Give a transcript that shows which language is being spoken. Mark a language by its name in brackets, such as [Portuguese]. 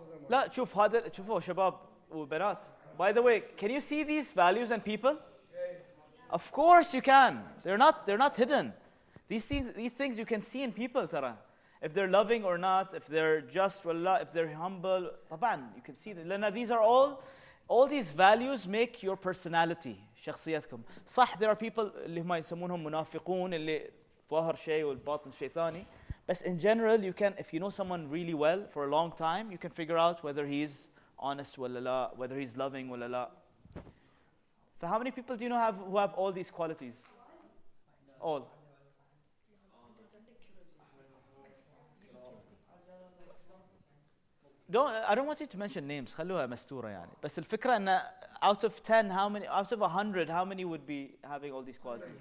[Arabic] لا شوف هذا شوفوا شباب وبنات. [English] By the way, can you see these values and people? Yeah. Of course you can. They're not hidden. These things you can see in people, Tara. If they're loving or not, if they're just, if they're humble, طبعاً, you can see them. Lena, these are all these values make your personality. [Arabic] شخصياتكم. صح, [English] there are people [Arabic] اللي هما يسمونهم منافقون اللي ظاهر شيء والباطن شيء ثاني. [English] But in general, you can, if you know someone really well for a long time, you can figure out whether he's honest walala, whether he's loving walala. For how many people do you know who have all these qualities? All. I don't want you to mention names. [Arabic] خلوها مستورة يعني. بس الفكرة إن [English] out of 10, how many? Out of 100, how many would be having all these qualities?